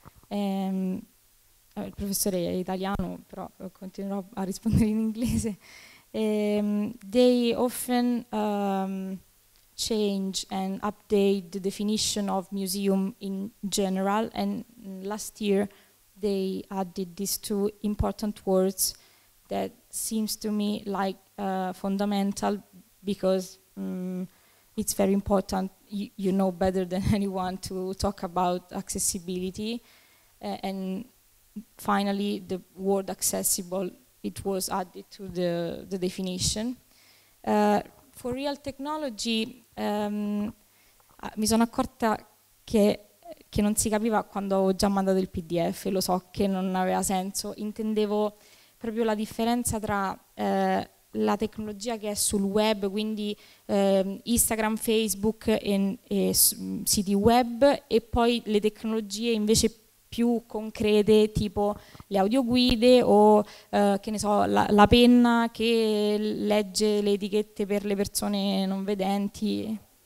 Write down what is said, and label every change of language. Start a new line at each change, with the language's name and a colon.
Italian: Il professore è italiano, però continuerò a rispondere in inglese.
English: They often change and update the definition of museum in general, and last year they added these two important words that seems to me like fundamental, because it's very important, you know better than anyone, to talk about accessibility. And finally, the word accessible, it was added to the definition. For real technology,
Italian: mi sono accorta che non si capiva quando ho già mandato il PDF, lo so che non aveva senso. Intendevo proprio la differenza tra la tecnologia che è sul web, quindi Instagram, Facebook e siti web, e poi le tecnologie invece più concrete, tipo le audioguide o che ne so, la penna che legge le etichette per le persone non vedenti.